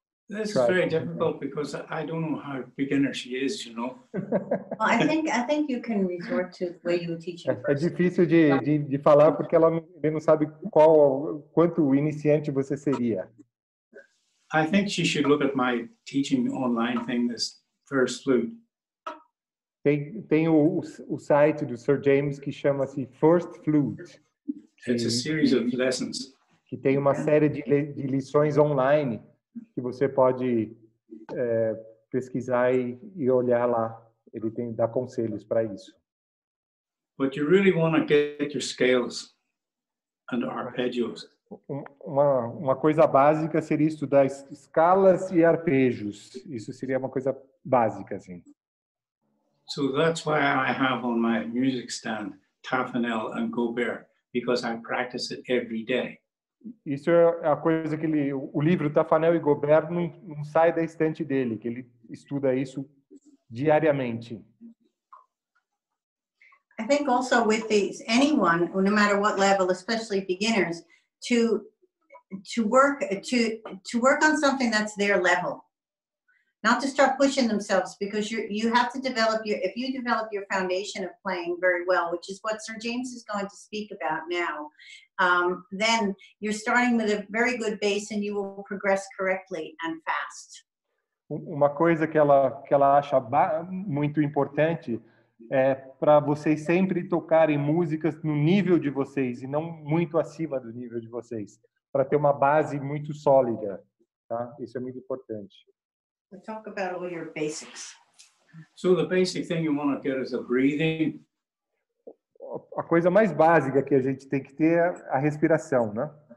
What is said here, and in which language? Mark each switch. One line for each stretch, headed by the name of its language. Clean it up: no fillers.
English: This is very difficult because I don't know how beginner she is, you know. Well, I think you can resort to the way you teach her first.
Portuguese: É difícil de falar porque ela não sabe quanto iniciante você seria.
English: I think she should look at my teaching online thing, this first flute.
Portuguese: Tem o site do Sir James que chama-se First Flute.
English: It's a series of lessons.
Portuguese: Que tem uma série de lições online que você pode pesquisar e olhar lá. Ele tem dá conselhos para isso.
English: But you really want to get your scales and arpeggios
Portuguese: uma coisa básica seria estudar escalas e arpejos. Isso seria uma coisa básica, assim.
English: So that's why I have on my music stand Tafanel and Gobert, because I practice it every day.
Portuguese: Isso é a coisa que ele, o livro Tafanel e Gobert não sai da estante dele, que ele estuda isso diariamente.
English: I think also with these, anyone, no matter what level, especially beginners, to work on something that's their level. Not to start pushing themselves, because you have to develop your, if you develop your foundation of playing very well, which is what Sir James is going to speak about now, then you're starting with a very good base and you will progress correctly and fast.
Portuguese: Uma coisa que ela acha muito importante é para vocês sempre tocarem músicas no nível de vocês e não muito acima do nível de vocês, para ter uma base muito sólida, tá? Isso é muito importante.
English: We'll talk about all your basics. So the basic thing you want to get is a breathing.
Portuguese: A coisa mais básica que a gente tem que ter é a respiração, né?